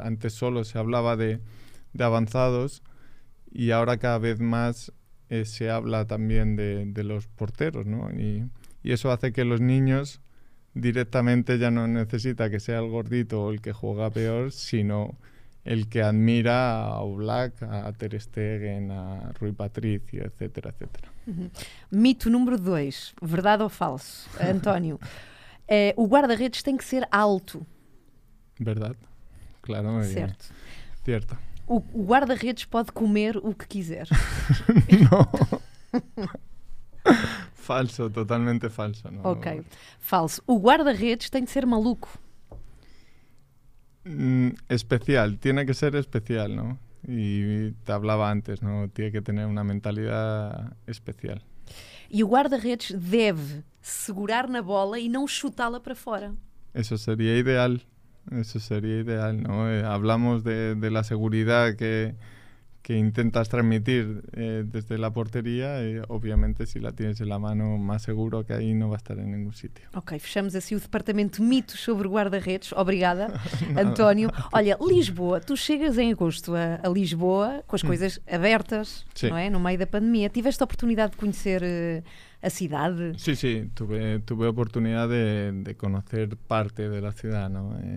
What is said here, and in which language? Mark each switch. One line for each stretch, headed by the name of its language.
Spanish: Antes solo se hablaba de avanzados y ahora cada vez más se habla también de los porteros, ¿no? Y eso hace que los niños directamente ya no necesita que sea el gordito o el que juega peor, sino el que admira a Oblak, a Ter Stegen, a Rui Patricio, etcétera, etcétera.
Portuguese: Mito número 2, verdade ou falso, António? O guarda-redes tem que ser alto.
Spanish: ¿Verdad? Claro,
Portuguese: Certo.
Spanish: cierto.
Portuguese: O guarda-redes pode comer o que quiser.
Spanish: Falso, totalmente falso,
Portuguese: Ok,
Spanish: ¿no?
Portuguese: falso. O guarda-redes tem que ser maluco.
Spanish: Especial, tiene que ser especial, ¿no? Y te hablaba antes, ¿no? Tiene que tener una mentalidad especial.
Portuguese: E o guarda-redes deve segurar na bola e não chutá-la para fora.
Spanish: Eso sería ideal, eso sería ideal, ¿no? Hablamos de la seguridad que intentas transmitir desde la portería, y obviamente si la tienes en la mano, más seguro que ahí no va a estar en ningún sitio.
Portuguese: Ok, fechamos assim o departamento mitos sobre guarda-redes. Obrigada,
Spanish: Nada,
Portuguese: António.
Spanish: a ti.
Portuguese: Olha, Lisboa, tu chegas em agosto a Lisboa com as coisas abertas,
Spanish: Sí.
Portuguese: não é? No meio da pandemia. Tiveste a oportunidade de conhecer a cidade?
Spanish: Sí, tuve oportunidad de conocer parte de la ciudad, ¿no?